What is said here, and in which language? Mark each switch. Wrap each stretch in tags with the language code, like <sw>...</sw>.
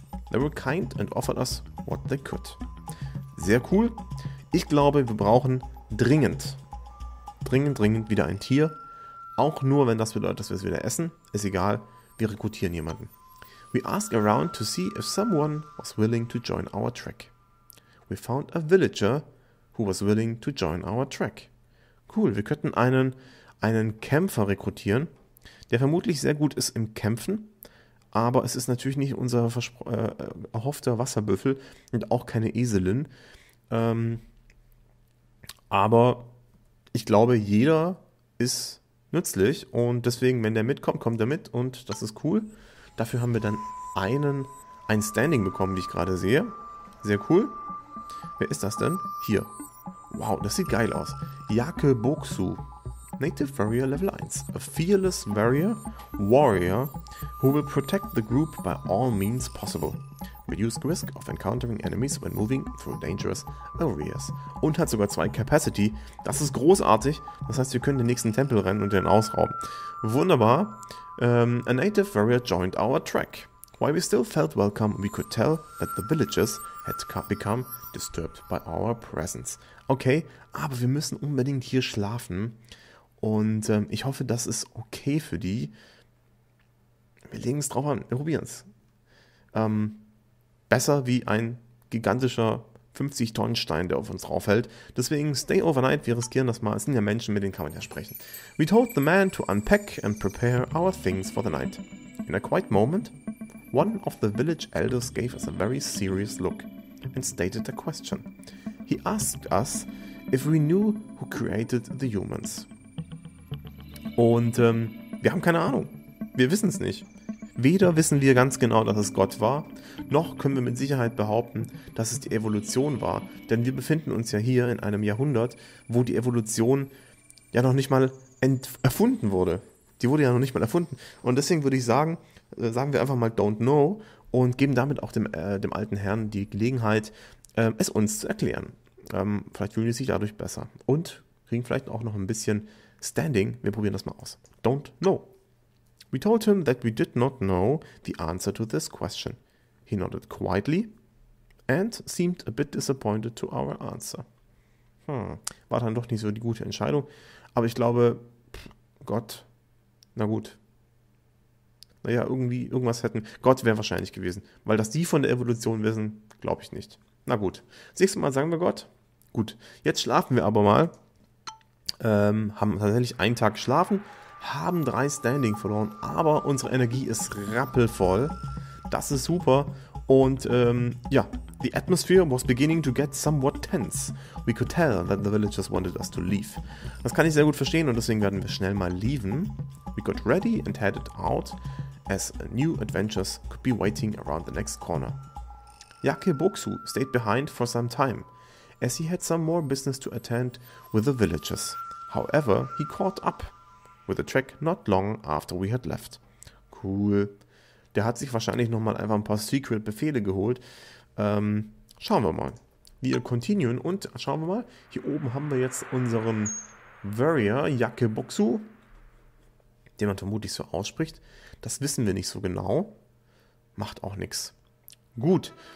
<en>They were kind and offered us what they could.</en> <de>Sehr cool. Ich glaube, wir brauchen dringend wieder ein Tier. Auch nur, wenn das bedeutet, dass wir es wieder essen. Ist egal, wir rekrutieren jemanden.</de> <en>We asked around to see if someone was willing to join our trek. We found a villager who was willing to join our trek.</en> <de>Cool, wir könnten einen Kämpfer rekrutieren, der vermutlich sehr gut ist im Kämpfen, aber es ist natürlich nicht unser erhoffter Wasserbüffel und auch keine Eselin. Aber ich glaube, jeder ist nützlich und deswegen, wenn der mitkommt, kommt er mit und das ist cool. Dafür haben wir dann ein Standing bekommen, wie ich gerade sehe. Sehr cool. Wer ist das denn? Hier. Wow, das sieht geil aus.</de> <en>Yake Boksu. Native Warrior Level 1. A fearless warrior who will protect the group by all means possible. Reduce risk of encountering enemies when moving through dangerous areas.</en> <de>Und hat sogar 2 Capacity. Das ist großartig. Das heißt, wir können den nächsten Tempel rennen und den ausrauben. Wunderbar.</de> <en>A native warrior joined our trek. While we still felt welcome, we could tell that the villagers had become disturbed by our presence.</en> <de>Okay, aber wir müssen unbedingt hier schlafen. Und ich hoffe, das ist okay für die. Wir legen es drauf an. Wir probieren es. Besser wie ein gigantischer 50-Tonnen-Stein, der auf uns draufhält. Deswegen,</de> <en>stay overnight,</en> <de>wir riskieren das mal. Es sind ja Menschen, mit denen kann man ja sprechen.</de> <en>We told the man to unpack and prepare our things for the night. In a quiet moment, one of the village elders gave us a very serious look and stated a question. He asked us if we knew who created the humans.</en> <de>Und wir haben keine Ahnung. Wir wissen es nicht. Weder wissen wir ganz genau, dass es Gott war, noch können wir mit Sicherheit behaupten, dass es die Evolution war. Denn wir befinden uns ja hier in einem Jahrhundert, wo die Evolution ja noch nicht mal erfunden wurde. Die wurde ja noch nicht mal erfunden. Und deswegen würde ich sagen, sagen wir einfach mal</de> <en>don't know</en> <de>und geben damit auch dem alten Herrn die Gelegenheit, es uns zu erklären. Vielleicht fühlen wir sich dadurch besser und kriegen vielleicht auch noch ein bisschen Standing. Wir probieren das mal aus.</de> <en>Don't know. We told him that we did not know the answer to this question. He nodded quietly and seemed a bit disappointed to our answer.</en> <de>War dann doch nicht so die gute Entscheidung. Aber ich glaube, Gott, na gut. Naja, irgendwie irgendwas hätten. Gott wäre wahrscheinlich gewesen. Weil dass die von der Evolution wissen, glaube ich nicht. Na gut. Nächstes Mal sagen wir Gott. Gut, jetzt schlafen wir aber mal. Haben tatsächlich einen Tag geschlafen. Haben 3 Standing verloren, aber unsere Energie ist rappelvoll. Das ist super. Und</de> <en>the atmosphere was beginning to get somewhat tense. We could tell that the villagers wanted us to leave.</en> <de>Das kann ich sehr gut verstehen und deswegen werden wir schnell mal leaven.</de> <en>We got ready and headed out, as new adventures could be waiting around the next corner. Yake Boksu stayed behind for some time, as he had some more business to attend with the villagers. However, he caught up with the track not long after we had left.</en> <de>Cool. Der hat sich wahrscheinlich nochmal einfach ein paar Secret-Befehle geholt. Schauen wir mal. Wir continuen und schauen wir mal. Hier oben haben wir jetzt unseren Warrior, Yake Boksu, den man vermutlich so ausspricht. Das wissen wir nicht so genau. Macht auch nichts. Gut.</de>